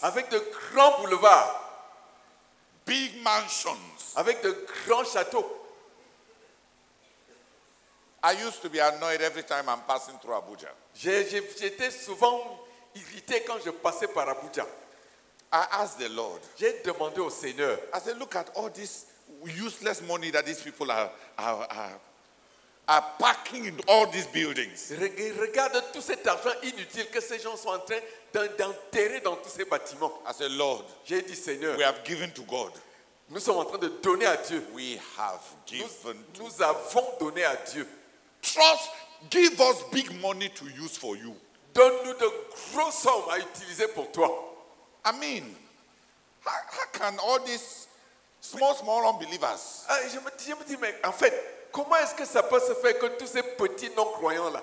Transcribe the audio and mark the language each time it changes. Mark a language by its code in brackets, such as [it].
[fr] Avec de grands boulevards. [en] Big mansions. [fr] Avec de grands châteaux. [en] I used to be annoyed every time I'm passing through Abuja. [fr] J'étais souvent irrité quand je passais par Abuja. [en] I asked the Lord. [fr] J'ai demandé au Seigneur. [en] I said, look at all this useless money that these people are packing in all these buildings. [fr] Regarde tout cet argent inutile que ces gens sont en train d'enterrer dans tous ces bâtiments. [en] I said, Lord. [fr] J'ai dit, Seigneur. [en] We have given to God. [fr] Nous sommes en train de donner à Dieu. [en] We have given. [fr] Nous avons donné à Dieu. [en] Trust. Give us big money to use for you. [fr] Donne-nous de grosses sommes à utiliser pour toi. [en] I mean, how can all these small unbelievers? [fr] Je me dis, mais en fait, comment est-ce que ça peut se faire que tous ces petits non-croyants là